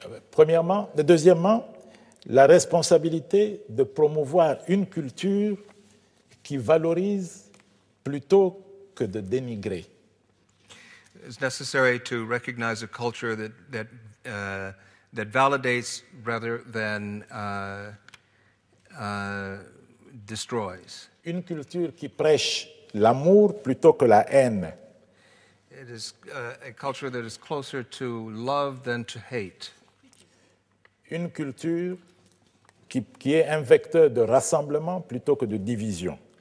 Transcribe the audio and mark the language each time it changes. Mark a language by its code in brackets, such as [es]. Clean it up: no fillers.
[fr] Premièrement, deuxièmement, la responsabilité de promouvoir une culture qui valorise plutôt que de dénigrer. [en] It's necessary to recognize a culture that validates rather than destroys. [fr] Une culture qui prêche l'amour plutôt que la haine. [en] It is a culture that is closer to love than to hate. [fr] Une culture qui est un vecteur de rassemblement plutôt que de division.